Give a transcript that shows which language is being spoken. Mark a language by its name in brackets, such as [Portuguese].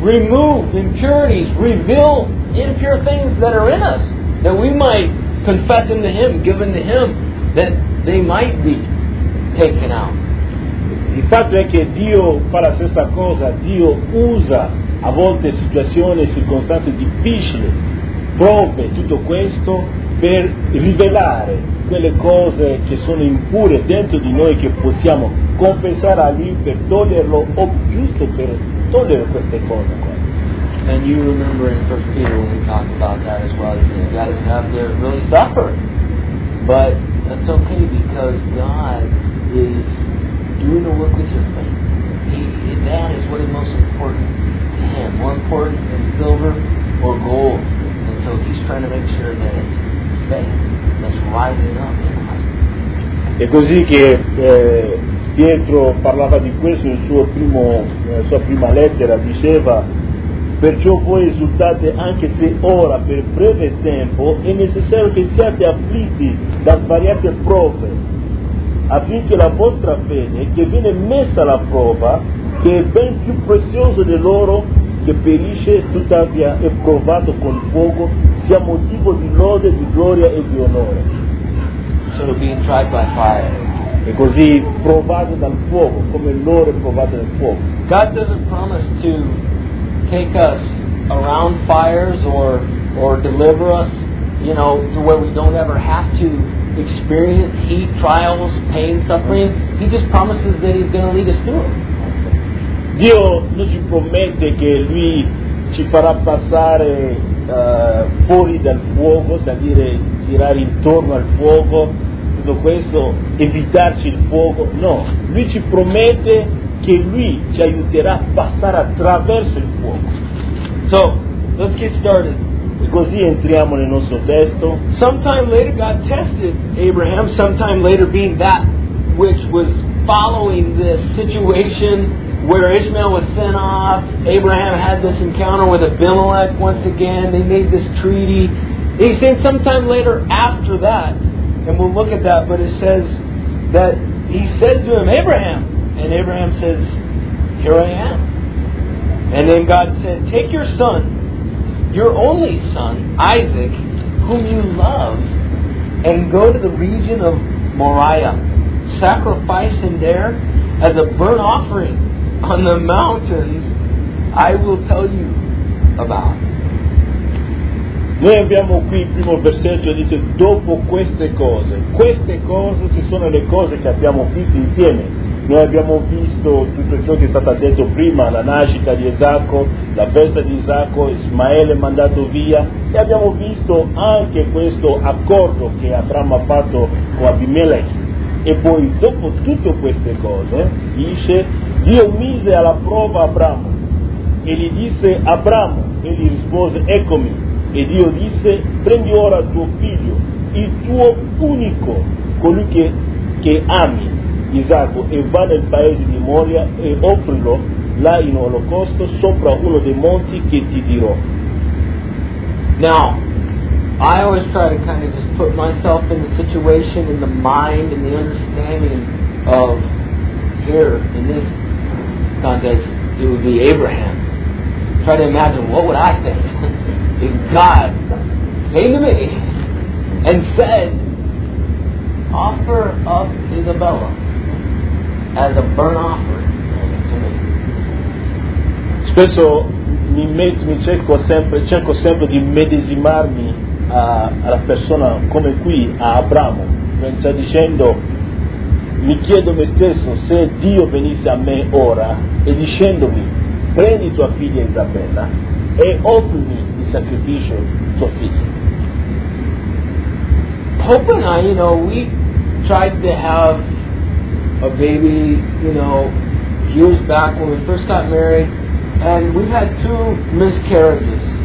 [English] Remove impurities, reveal impure things that are in us, that we might confess them to Him, give them to Him, that they might be taken out. [Italian] Il fatto è che Dio fa la stessa cosa, Dio usa a volte situazioni, circostanze difficili, prove, tutto questo per rivelare quelle cose che sono impure dentro di noi che possiamo confessare a lui per toglierlo o giusto per togliere queste cose qua. [English] And you remember in 1 Peter when we talked about that as well, you got to have to really suffer. But that's okay because God is doing the work with your faith. That is what is most important to Him, more important than silver or gold. And so He's trying to make sure that it's faith that's rising up in us. [Italian] È così che Pietro parlava di questo nel suo primo, nella sua prima lettera, diceva: perciò voi esultate anche se ora per breve tempo è necessario che siate afflitti da svariate prove, affinché la vostra fede, che viene messa alla prova, che è ben più preziosa dell'oro che perisce, tuttavia è provato con fuoco, sia motivo di lode, di gloria e di onore. [English] So being tried by fire. [Italian] E così provato dal fuoco, come l'oro è provato dal fuoco. [English] God doesn't promise to take us around fires or deliver us, you know, to where we don't ever have to experience heat, trials, pain, suffering. He just promises that He's going to lead us through it. [Italian] Dio non ci promette che lui ci farà passare fuori dal fuoco, cioè dire girare intorno al fuoco, tutto questo, evitarci il fuoco. No, lui ci promette che lui ci aiuterà a passare attraverso il fuoco. [English] So, let's get started. [Italian] E così entriamo nel nostro testo. [English] Sometime later God tested Abraham, sometime later being that which was following this situation where Ishmael was sent off, Abraham had this encounter with Abimelech once again, they made this treaty. He's saying sometime later after that, and we'll look at that, but it says that he says to him, Abraham, and Abraham says, here I am. And then God said, take your son, your only son, Isaac, whom you love, and go to the region of Moriah. Sacrifice him there as a burnt offering on the mountains I will tell you about. [Italian] Noi abbiamo qui il primo versetto, dice: dopo queste cose ci sono le cose che abbiamo visto insieme. Noi abbiamo visto tutto ciò che è stato detto prima, la nascita di Esacco, la festa di Esacco, Ismaele mandato via, e abbiamo visto anche questo accordo che Abramo ha fatto con Abimelech. E poi dopo tutte queste cose, dice, Dio mise alla prova Abramo e gli disse, Abramo, e gli rispose, eccomi. E Dio disse, prendi ora tuo figlio, il tuo unico, colui che ami, Isacco, e va nel paese di Moria e offrilo là in olocausto sopra uno dei monti che ti dirò. [English] Now, I always try to kind of just put myself in the situation, in the mind, in the understanding of here, in this context, it would be Abraham. Try to imagine, what would I think if God came to me and said, offer up Isabella as a burnt offering to me. [Italian] Spesso mi cerco sempre di medesimarmi alla persona come qui a Abramo, sta dicendo, mi chiedo me stesso se Dio venisse a me ora e dicendomi, prendi tua figlia Isabella e offrimi il sacrificio tua figlia. [English] Pope and I, you know, we tried to have a baby, you know, years back when we first got married, and we had two miscarriages.